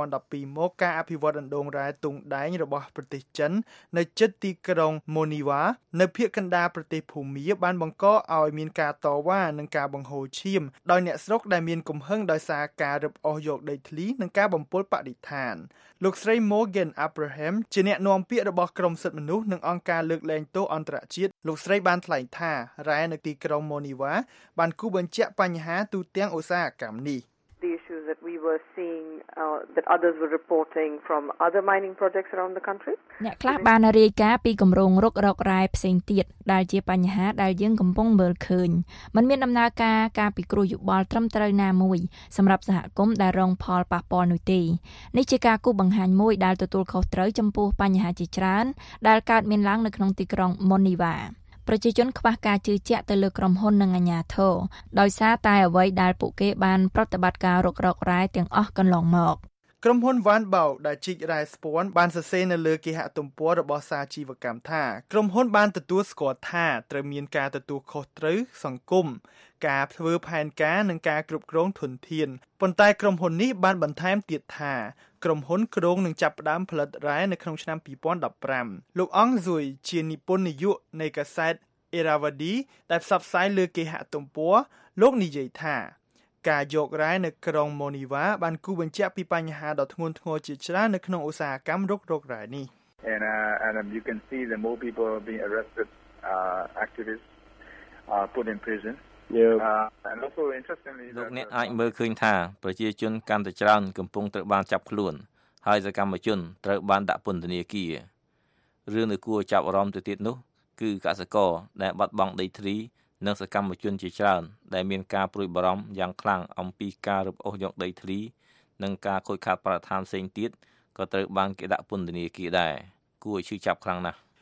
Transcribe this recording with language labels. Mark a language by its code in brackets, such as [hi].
[km] 2012មកការអភិវឌ្ឍអណ្ដូងរ៉ែទុងដែងរបស់ប្រទេសចិននៅជិតទីក្រុងម៉ូនីវ៉ានៅភាគកណ្ដាលប្រទេសភូមាបានបង្កឲ្យមានការតវ៉ានិងការបង្ហូរឈាមដោយអ្នកស្រុកដែលមានកំហឹងដោយសារការរឹបអូសយកដីធ្លីនិងការបំពុលបរិស្ថានលោកស្រី Morgan Abraham ជាអ្នកនាំពាក្យរបស់ក្រមសិទ្ធិមនុស្សនិងអង្គការលើកលែងទោសអន្តរជាតិលោកស្រីបានថ្លែងថារ៉ែនៅទីក្រុងម៉ូនីវ៉ាបានគូបញ្ជាក់បញ្ហាទូទាំងឧស្សាហកម្មនេះ [en] that we were seeing that others were reporting from other mining projects around the country [km] អ្នកខ្លះបានរាយការណ៍ពីគម្រោងរុករករ៉ែផ្សេងទៀតដែលជាបញ្ហាដែលយើងកំពុងមើលឃើញมันមានដំណើរការការពិគ្រោះយោបល់ត្រឹមត្រូវណាមួយសម្រាប់សហគមន៍ដែលរងផលប៉ះពាល់នោះទេនេះជាការគូបង្ហាញមួយដែលទទួលខុសត្រូវចំពោះបញ្ហាជាច្រើនដែលកើតមានឡើងនៅក្នុងទីក្រុងម៉ូនីវ៉ាប្រ្រជាជនខ្វះការជឿជាក់ទៅលើក្រុមហ៊ុននិងអាជ្ញាធរដោយសារតែអ្វីដែលពួកគេបានប្រតិបត្តិការរុករករ៉ែទាំងអស់កន្លងមក ក្រុមហ៊ុន Van Bau ដែលជីករ៉ែស្ពាន់បានសរសេរនៅលើគេហទំព័ររបស់សាជីវកម្មថាក្រុមហ៊ុនបានទទួលស្គាល់ថាត្រូវមានការទទួលខុសត្រូវសង្គម ការធ្វើផែនការនិងការគ្រប់គ្រងធនធានប៉ុន្តែក្រុមហ៊ុននេះបានបន្ថែមទៀតថាក្រុមហ៊ុនគ្រោងនឹងចាប់ផ្ដើមផលិតរ៉ែនៅក្នុងឆ្នាំ2015លោកអង្គស៊ុយជានិពន្ធនយោបាយនៃកាសែត Irrawaddy ដែលផ្សព្វផ្សាយលើគេហទំព័រលោកនិយាយថាការយករ៉ែនៅក្រុងម៉ូនីវ៉ាបានគូបញ្ជាក់ពីបញ្ហាដ៏ធ្ងន់ធ្ងរជាច្រើននៅក្នុងឧស្សាហកម្មរុករករ៉ែនេះ [en] And you can see the more people are being arrested activists put in prison [km] លោកអ្នកអាចមើលឃើញថាប្រជាជនកាន់តែច្រើនកំពុងត្រូវបានចាប់ខ្លួនហើយសកម្មជនត្រូវបានដាក់ពន្ធនាគាររឿងដែលគួរចាប់អារម្មណ៍ទៅទៀតនោះគឺកសិករដែលបាត់បង់ដីធ្លីនិងសកម្មជនជាច្រើនដែលមានការព្រួយបារម្ភយ៉ាងខ្លាំងអំពីការរឹបអូសយកដីធ្លីនិងការខូចខាតបរិស្ថានផ្សេងទៀតក៏ត្រូវបានគេដាក់ពន្ធនាគារដែរគួរឲ្យឈឺចាប់ខ្លាំងណាស់